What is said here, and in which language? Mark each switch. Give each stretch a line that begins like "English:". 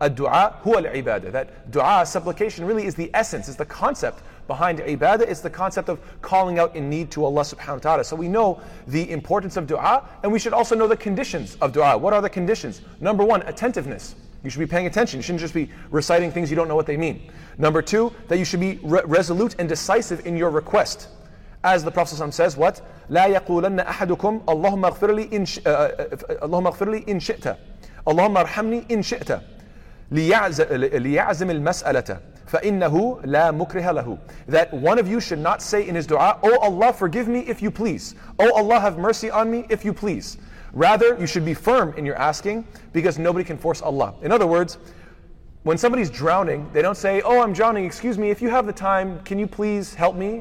English: الدُّعَاء هُوَ الْعِبَادَةِ, that dua, supplication, really is the essence, is the concept behind ibadah, is the concept of calling out in need to Allah subhanahu wa ta'ala. So we know the importance of dua, and we should also know the conditions of dua. What are the conditions? Number one, attentiveness. You should be paying attention. You shouldn't just be reciting things you don't know what they mean. Number two, that you should be resolute and decisive in your request. As the Prophet ﷺ says, what?
Arabic: لا يقولن أحدكم اللهم اغفر لي إن شئت اللهم ارحمني إن شئت ليعزم المسألة فإنه لا مكره له.
English: That one of you should not say in his dua, O Allah, forgive me if you please. O Allah, have mercy on me if you please. Rather, you should be firm in your asking because nobody can force Allah. In other words, when somebody's drowning, they don't say, oh, I'm drowning, excuse me, if you have the time, can you please help me?